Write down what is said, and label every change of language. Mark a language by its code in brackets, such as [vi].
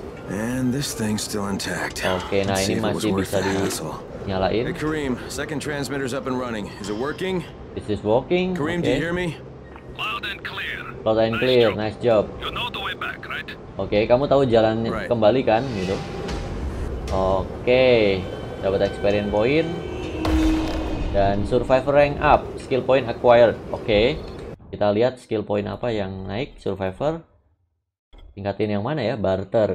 [en] And this thing still intact. [id] Oke, nah ini masih bisa dinyalain. [en] Hey Kareem, second transmitter's up and running. Is it working? Is this working? Kareem, okay. Do you hear me? Loud and clear. Loud and clear. Nice job. You know the way back, right? [id] Oke, okay, kamu tahu jalan kembali kan, gitu. Oke, okay, dapat experience point dan survivor rank up, skill point acquired. Oke, okay, kita lihat skill point apa yang naik survivor. Tingkatin yang mana ya, barter.